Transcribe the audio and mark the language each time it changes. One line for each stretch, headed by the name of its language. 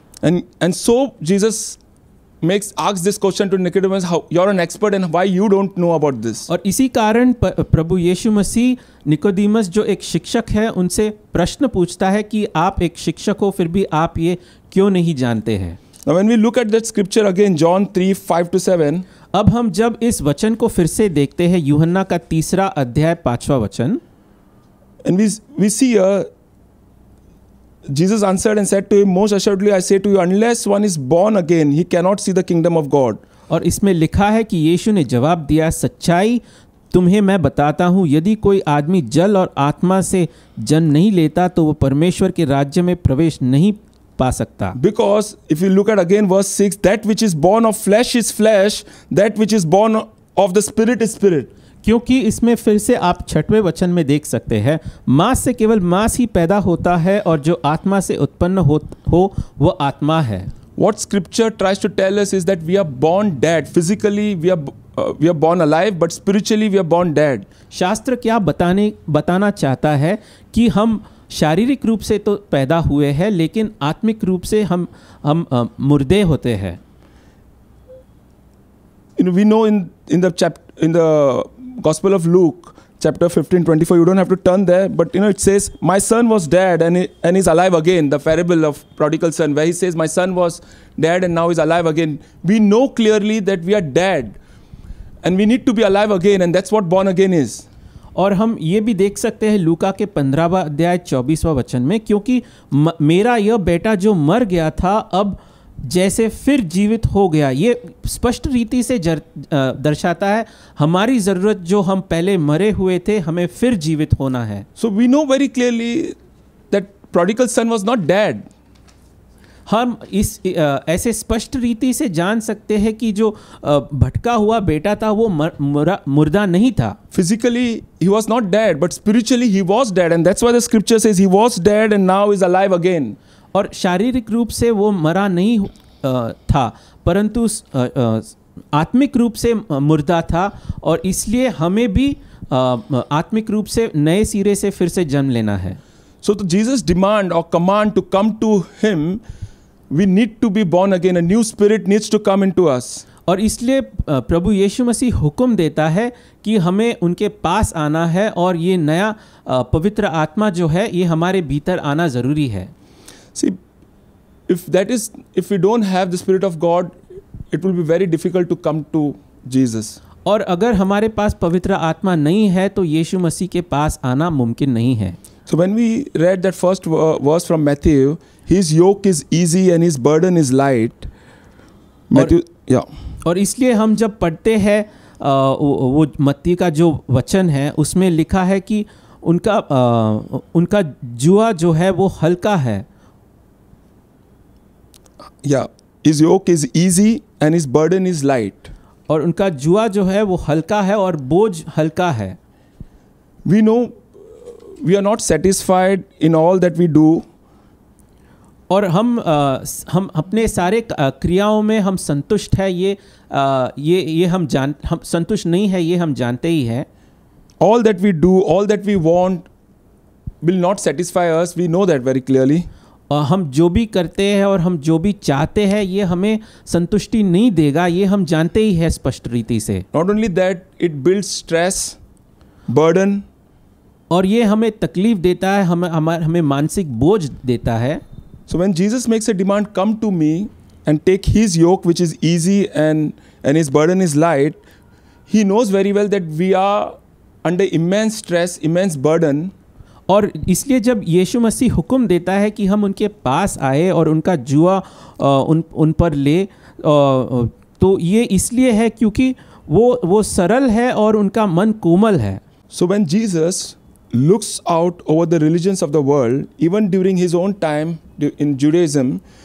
English: And so Jesus makes asks this question to Nicodemus, how you are an expert and why you don't know about this.
Hindi: और इसी कारण प्रभु यीशु मसीह Nicodemus जो एक शिक्षक है उनसे प्रश्न पूछता है कि आप एक शिक्षक हो फिर भी आप ये क्यों नहीं जानते हैं।
English: Now when we look at that scripture again, John 3:5-7,
Hindi: अब हम जब इस वचन को फिर से देखते हैं यूहन्ना का तीसरा अध्याय पांचवा वचन,
English: and we see here, Jesus answered and said to him, most assuredly I say to you, unless one is born again, he cannot see the kingdom of God.
Hindi: और इसमें लिखा है कि यीशु ने जवाब दिया, सच्चाई तुम्हें मैं बताता हूँ, यदि कोई आदमी जल और आत्मा से जन्म नहीं लेता तो वो परमेश्वर के राज्य में प्रवेश नहीं पा सकता।
English: Because if you look at again verse 6, that which is born of flesh is flesh, that which is born of the spirit is spirit.
Hindi: क्योंकि इसमें फिर से आप छठवें वचन में देख सकते हैं, मांस से केवल मांस ही पैदा होता है और जो आत्मा से उत्पन्न हो वो आत्मा है।
English: What scripture tries to tell us is that we are born dead. Physically we are born alive, but spiritually we are born dead.
Hindi: शास्त्र क्या बताना चाहता है कि हम शारीरिक रूप से तो पैदा हुए हैं लेकिन आत्मिक रूप से हम मुर्दे होते हैं।
English: You know, we know in the Gospel of Luke chapter 15:24, you don't have to turn there, but you know it says, my son was dead and he's alive again, the parable of prodigal son, where he says, my son was dead and now he's alive again. We know clearly that we are dead and we need to be alive again, and that's what born again is.
Hindi: और हम ये भी देख सकते हैं लूका के 15:24 में, क्योंकि मेरा यह बेटा जो मर गया था अब जैसे फिर जीवित हो गया। ये स्पष्ट रीति से दर्शाता है हमारी ज़रूरत, जो हम पहले मरे हुए थे हमें फिर जीवित होना है।
English: So we know very clearly that prodigal son was not dead.
Hindi: हम इस ऐसे स्पष्ट रीति से जान सकते हैं कि जो भटका हुआ बेटा था वो मुर्दा नहीं था।
English: Physically he was not dead but spiritually he was dead, and that's why the scripture says he was dead and now is alive again.
Hindi: और शारीरिक रूप से वो मरा नहीं था परंतु आत्मिक रूप से मुर्दा था, और इसलिए हमें भी आत्मिक रूप से नए सिरे से फिर से जन्म लेना है।
English: So the Jesus demand or command to come to him, we need to be born again, a new spirit needs to come into us.
Hindi: और इसलिए प्रभु यीशु मसीह हुक्म देता है कि हमें उनके पास आना है और ये नया पवित्र आत्मा जो है ये हमारे भीतर आना जरूरी है।
English: See, if we don't have the spirit of God, it will be very difficult to come to Jesus.
Hindi: और अगर हमारे पास पवित्र आत्मा नहीं है तो यीशु मसीह के पास आना मुमकिन नहीं है।
English: So when we read that first verse from Matthew, his yoke is easy and his burden is light.
Hindi: और इसलिए हम जब पढ़ते हैं वो मत्ती का जो वचन है उसमें लिखा है कि उनका जुआ जो है वो हल्का है।
English: या his yoke is easy and his burden is light.
Hindi: और उनका जुआ जो है वो हल्का है और बोझ हल्का है।
English: We know we are not satisfied in all that we do.
Hindi: और हम अपने सारे क्रियाओं में हम संतुष्ट है हम संतुष्ट नहीं है ये हम जानते ही है।
English: All that we do, all that we want will not satisfy us, we know that very clearly.
Hindi: हम जो भी करते हैं और हम जो भी चाहते हैं ये हमें संतुष्टि नहीं देगा ये हम जानते ही है स्पष्ट रीति से।
English: Not only that, it builds stress, burden.
Hindi: और ये हमें तकलीफ देता है हमें मानसिक बोझ देता है।
English: So when Jesus makes a demand, come to me and take his yoke which is easy and his burden is light, he knows very well that we are under immense stress, immense burden.
Hindi: और इसलिए जब यीशु मसीह हुक्म देता है कि हम उनके पास आए और उनका जुआ उन पर ले, तो ये इसलिए है क्योंकि वो सरल है और उनका मन कोमल है।
English: so when Jesus looks out over the religions of the world even during his own time in Judaism,